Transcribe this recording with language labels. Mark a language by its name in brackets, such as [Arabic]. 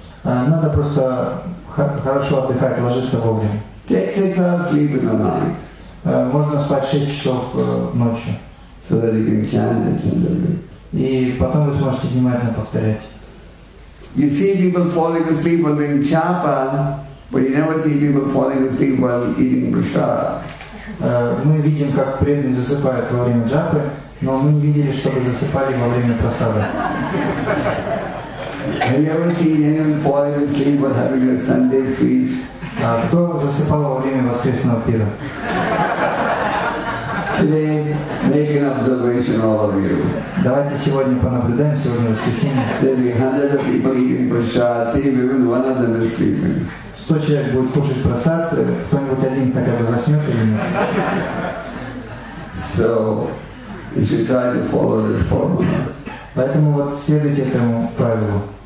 [Russian] Надо просто хорошо отдыхать, ложиться вовремя. [English] Take 6 hours sleep in the night. [Russian] Можно спать 6 часов ночью. [English] So that you can chant it tenderly. [Russian] И потом вы сможете внимательно повторять. [English] You see people falling asleep while doing japa, but you never see people falling asleep while eating prasad. [Russian] Мы видим, как преданные засыпают во время джапы, но мы не видели, чтобы засыпали во время прасада. [English] Have you ever seen anyone falling asleep while having a Sunday feast? [Russian] Кто засыпал во время воскресного пира? [English] Today, make an observation, all of you. [Russian] Давайте сегодня понаблюдаем, сегодня воскресенье. [English] There'll be hundreds of people eating prasad, see if even one of them is sleeping. [Russian] 100 человек будет кушать прасад, кто-нибудь один хотя бы заснет или нет? [English] So, you should try to follow this formula. [Russian] Поэтому вот следуйте этому правилу.